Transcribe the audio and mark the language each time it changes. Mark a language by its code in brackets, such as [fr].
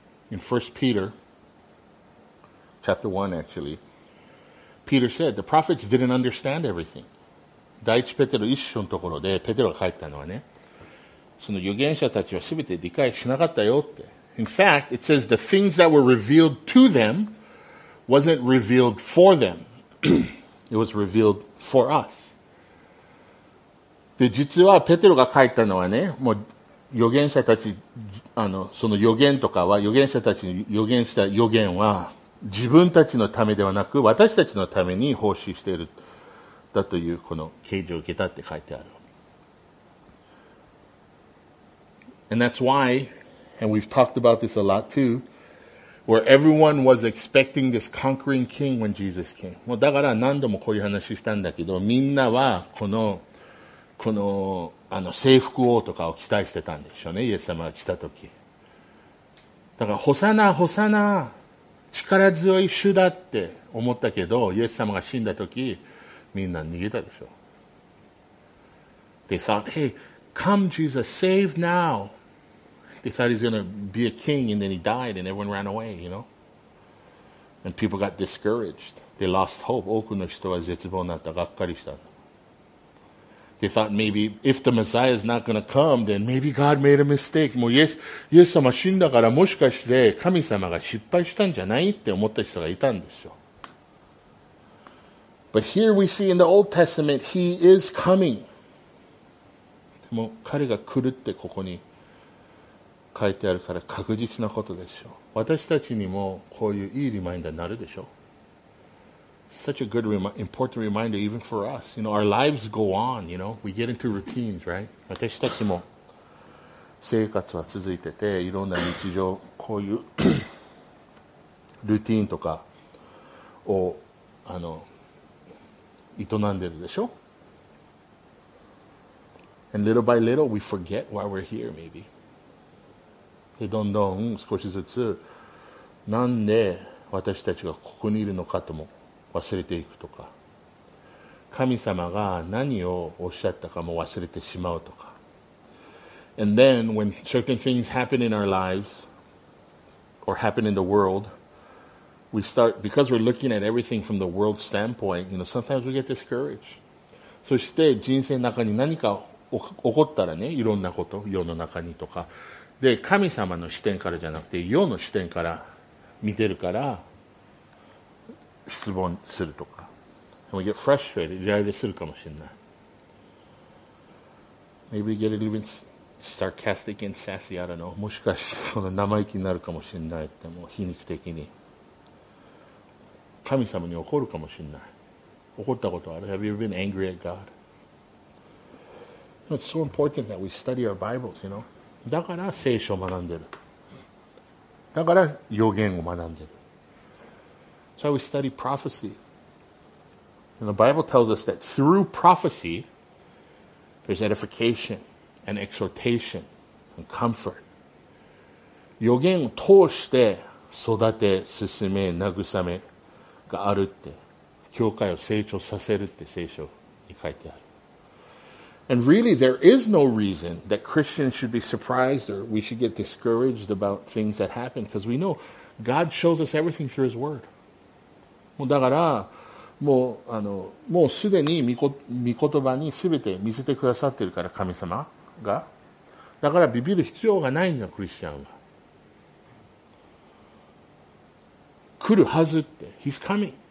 [en] In 1 Peter, chapter 1 actually, Peter said, the prophets didn't understand everything. [ja] 第一ペテロ一章のところで、ペテロが書いたのはね、その預言者たちは全て理解しなかったよって。 [en] In fact, it says the things that were revealed to them wasn't revealed for them. It was revealed for us. [ja] で、実はペテロが書いたのはね、もう預言者たち、その預言とかは、預言者たちに預言した預言は、自分たちのためではなく、私たちのために奉仕している、だという、この啓示を受けたって書いてある。 [en] And that's why, and we've talked about this a lot too, where everyone was expecting this conquering king when Jesus came. [ja] もうだから何度もこういう話したんだけど、みんなはこの、あの征服王とかを期待してたんでしょうね、イエス様が来た時。だから、ホサナ、ホサナ、力強い主だって思ったけど、イエス様が死んだ時、みんな逃げたでしょ。 [en] They thought, hey,Come, Jesus, save now. They thought he's going to be a king, and then he died, and everyone ran away, you know? And people got discouraged. They lost hope. [ja] 多くの人は絶望になった、がっかりした。 [en] They thought maybe if the Messiah is not going to come, then maybe God made a mistake. [ja] もうイエス様死んだから、もしかして神様が失敗したんじゃないって思った人がいたんですよ。 [en] But here we see in the Old Testament, he is coming. [ja] もう彼が来るってここに書いてあるから確実なことでしょう。私たちにもこういういいリマインダーになるでしょう。 [en] Such a good important reminder even for us. You know, our lives go on, you know. We get into routines, right? [ja] 私たちも生活は続いてて、いろんな日常、こういうルーティーンとかを営んでるでしょ。 [en] And little by little, we forget why we're here, maybe. [ja] で、どんどん少しずつなんで私たちがここにいるのかとも忘れていくとか、神様が何をおっしゃったかも忘れてしまうとか。 [en] And then when certain things happen in our lives or happen in the world, we start, because we're looking at everything from the world standpoint, you know, sometimes we get discouraged. [ja] そして人生の中に何か起こったらね、いろんなこと世の中にとかで、神様の視点からじゃなくて世の視点から見てるから失望するとか、 [en] and we get frustrated、 [ja] イライラするかもしれない。 [en] Maybe get a little bit sarcastic and sassy, I don't know。 [ja] もしかしてその生意気になるかもしれないって、もう皮肉的に神様に怒るかもしれない。怒ったことある？ [en] Have you ever been angry at God? It's so important that we study our Bibles, you know? [ja] だから聖書を学んでる。だから予言を学んでる。 [en] So we study prophecy. And the Bible tells us that through prophecy, there's edification and exhortation and comfort. [ja] 予言を通して育て、進め、慰めがあるって。教会を成長させるって聖書に書いてある。 [en] And really, there is no reason that Christians should be surprised or we should get discouraged about things that happen, because we know God shows us everything through His Word. [ja] もうだから、もうあのもうすでに御言葉にすべて見せてくださってるから、神様が。だからビビる必要がないんだ、クリスチャンは。来るはずって。 [en] He's coming.